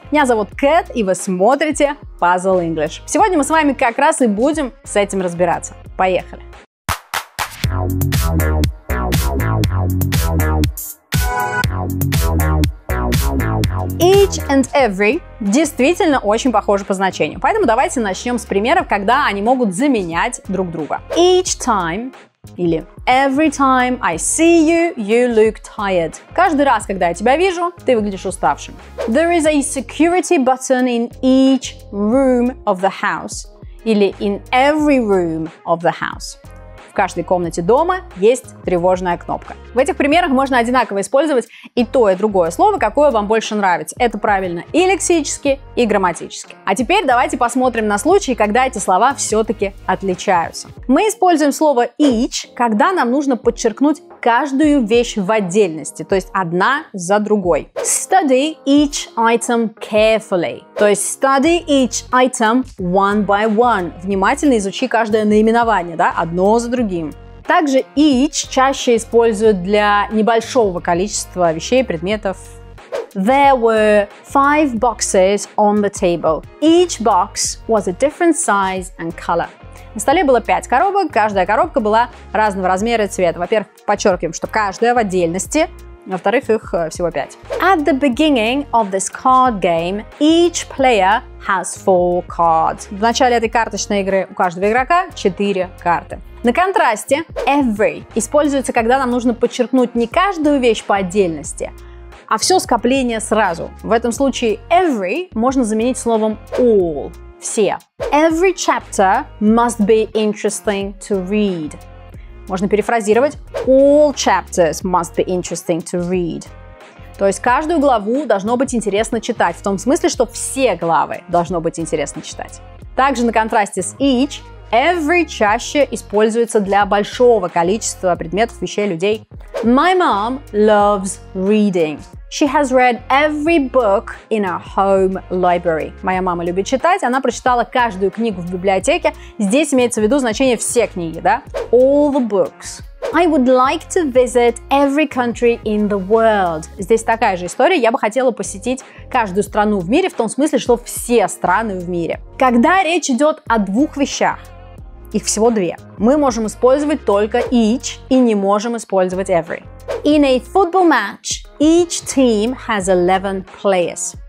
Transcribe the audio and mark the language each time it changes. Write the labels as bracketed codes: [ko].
[ru] Меня зовут Кэт, и вы смотрите Puzzle English. Сегодня мы с вами как раз и будем с этим разбираться. Поехали! [en] Each and every [ru] действительно очень похожи по значению. Поэтому давайте начнем с примеров, когда они могут заменять друг друга. [en] Each time [ru] или [en] every time I see you, you look tired. [ru] Каждый раз, когда я тебя вижу, ты выглядишь уставшим. [en] There is a security button in each room of the house. [ru] Или [en] in every room of the house. [ru] В каждой комнате дома есть тревожная кнопка. В этих примерах можно одинаково использовать и то, и другое слово, какое вам больше нравится. Это правильно и лексически, и грамматически. А теперь давайте посмотрим на случаи, когда эти слова все-таки отличаются. Мы используем слово each, когда нам нужно подчеркнуть каждую вещь в отдельности, то есть одна за другой. [en] Study each item carefully. [ru] То есть [en] study each item one by one. [ru] Внимательно изучи каждое наименование, да, одно за другим. Также each чаще используют для небольшого количества вещей, предметов. [en] There were five boxes on the table. Each box was a different size and color. [ru] На столе было 5 коробок, каждая коробка была разного размера и цвета. Во-первых, подчеркиваем, что каждая в отдельности, во-вторых, их всего 5. [en] At the beginning of this card game, each player has 4 cards. [ru] В начале этой карточной игры у каждого игрока 4 карты. На контрасте, every используется, когда нам нужно подчеркнуть не каждую вещь по отдельности, а все скопление сразу. В этом случае every можно заменить словом all. Все. [en] Every chapter must be interesting to read. [ru] Можно перефразировать. [en] All chapters must be interesting to read. [ru] То есть каждую главу должно быть интересно читать. В том смысле, что все главы должно быть интересно читать. Также на контрасте с each, every чаще используется для большого количества предметов, вещей, людей. [en] My mom loves reading. She has read every book in her home library. [ru] Моя мама любит читать, она прочитала каждую книгу в библиотеке. Здесь имеется в виду значение все книги, да? [en] All the books. I would like to visit every country in the world. [ru] Здесь такая же история, я бы хотела посетить каждую страну в мире, в том смысле, что все страны в мире. Когда речь идет о двух вещах, их всего две, мы можем использовать только each и не можем использовать every. [en] In a football match, each team has 11 players.